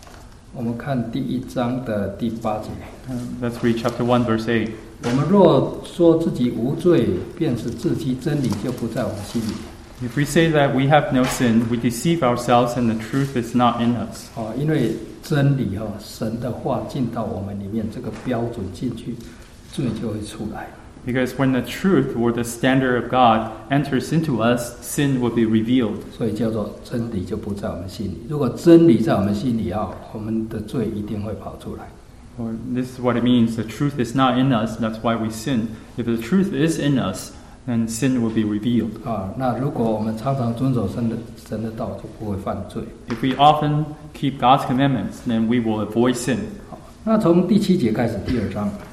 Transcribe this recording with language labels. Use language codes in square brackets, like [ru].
[zh] 如果我们看第一章的第八节。 [en] Let's read chapter 1, verse 8. [zh] 我们若说自己无罪，便是自欺真理，就不在我们心里。 [en] If we say that we have no sin, we deceive ourselves, and the truth is not in us. [zh] 因为真理，神的话进到我们里面，这个标准进去，罪就会出来。 [en] Because when the truth or the standard of God enters into us, sin will be revealed. [zh] 所以叫做真理就不在我们心里。如果真理在我们心里，我们的罪一定会跑出来。 [en] Or this is what it means, the truth is not in us, that's why we sin. If the truth is in us, then sin will be revealed. [zh] 那如果我们常常遵守神的道，就不会犯罪。 [en] If we often keep God's commandments, then we will avoid sin. [zh] 那从第七节开始，第二章。